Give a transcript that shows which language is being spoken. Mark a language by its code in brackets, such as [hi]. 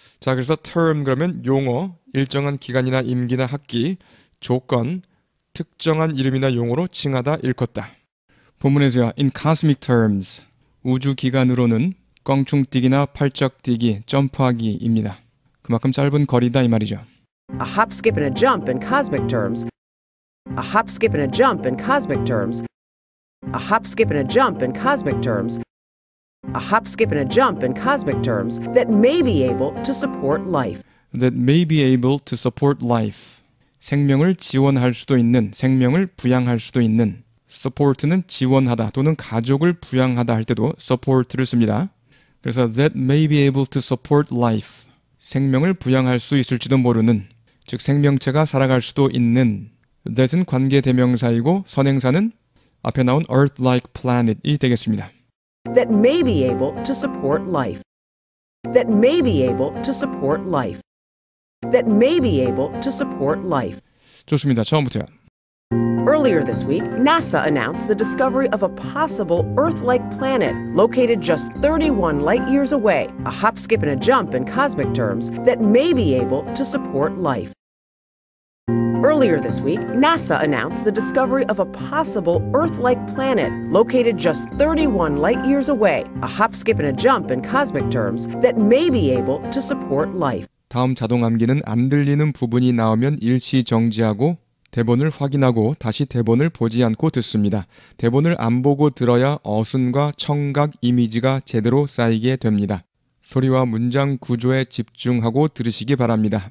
[ko] 자, 그래서 term 그러면 용어, 일정한 기간이나 임기나 학기, 조건, 특정한 이름이나 용어로 칭하다, 일컫다. 본문에서요, [en] in cosmic terms, [ko] 우주 기간으로는 껑충뛰기나 팔짝뛰기, 점프하기입니다. 그만큼 짧은 거리다 이 말이죠. [en] A hop, skip, and a jump in cosmic terms. A hop, skip, and a jump in cosmic terms. A hop, skip, and a jump in cosmic terms. A hop, skip, and a jump in cosmic terms that may be able to support life. That may be able to support life. [ko] 생명을 지원할 수도 있는, 생명을 부양할 수도 있는. Support는 지원하다 또는 가족을 부양하다 할 때도 support를 씁니다. 그래서 [en] that may be able to support life. [ko] 생명을 부양할 수 있을지도 모르는, 즉 생명체가 살아갈 수도 있는. That은 관계대명사이고 선행사는 앞에 나온 Earth-like planet이 되겠습니다. [en] That may be able to support life. That may be able to support life. That may be able to support life. [ko] 좋습니다. 처음부터요. [en] Earlier this week, NASA announced the discovery of a possible Earth-like planet located just 31 light years away, a hop, skip, and a jump in cosmic terms that may be able to support life. Earlier this week, NASA announced the discovery of a possible Earth-like planet located just 31 light years away, a hop, skip, and a jump in cosmic terms that may be able to support life. [ko] 다음 자동 암기는 안 들리는 부분이 나오면 일시 정지하고 대본을 확인하고 다시 대본을 보지 않고 듣습니다. 대본을 안 보고 들어야 어순과 청각 이미지가 제대로 쌓이게 됩니다. 소리와 문장 구조에 집중하고 들으시기 바랍니다.